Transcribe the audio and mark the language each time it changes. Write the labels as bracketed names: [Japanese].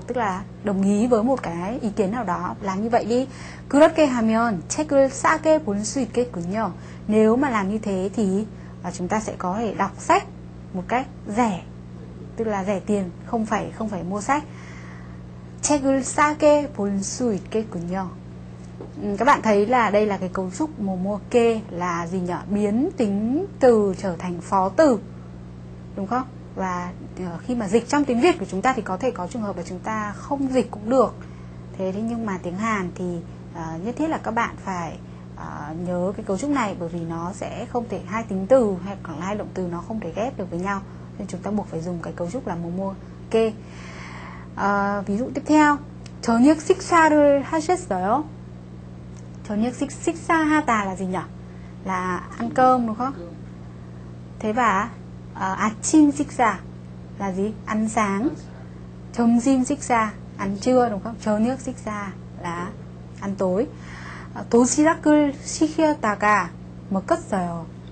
[Vietnamese] Tức là đồng ý với một cái ý kiến nào đó. Làm như vậy đi. [Korean] 그렇게 하면 책을 싸게 볼 수 있겠군요. [Vietnamese] Nếu mà làm như thế thì chúng ta sẽ có thể đọc sách một cách rẻ. Tức là rẻ tiền, không phải mua sách. [Korean] 책을 싸게 볼 수 있겠군요. [Vietnamese] Các bạn thấy là đây là cái cấu trúc mùa kê là gì nhỉ? Biến tính từ trở thành phó từ. Đúng không? Và khi mà dịch trong tiếng Việt của chúng ta thì có thể có trường hợp là chúng ta không dịch cũng được. Thế nhưng mà tiếng Hàn thì nhất thiết là các bạn phải nhớ cái cấu trúc này bởi vì nó sẽ không thể hai tính từ hay còn hai động từ nó không thể ghép được với nhau. Nên chúng ta buộc phải dùng cái cấu trúc là mùa kê. Ví dụ tiếp theo. [Korean] 저녁 식사를 하셨어요? [Vietnamese] 저녁 식사하다 là gì nhỉ? Là ăn cơm đúng không? Thế và 아침 식사 là gì? Ăn sáng. 점심 식사 ăn trưa đúng không? 저녁 식사 là ăn tối. [Korean] 도시락을 시켰다가 먹었어요.